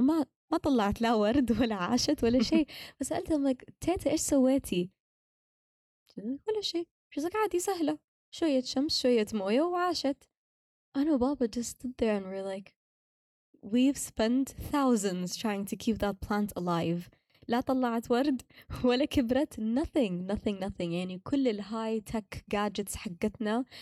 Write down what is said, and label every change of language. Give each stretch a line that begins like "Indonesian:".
Arabic: وما طلعت لا ورد ولا عاشت ولا شيء. فسألتها,
English: I'm like,
Arabic: تيتا إيش سويتي؟ ولا شيء.
English: She's like,
Arabic: عادي سهلة. شوية شمس شوية موية وعاشت.
English: I know Baba just stood there and we're like, we've spent thousands trying to keep that plant alive.
Arabic: لا طلعت ورد ولا كبرت.
English: Nothing, nothing, nothing.
Arabic: يعني كل الهاي-tech gadgets حقتنا.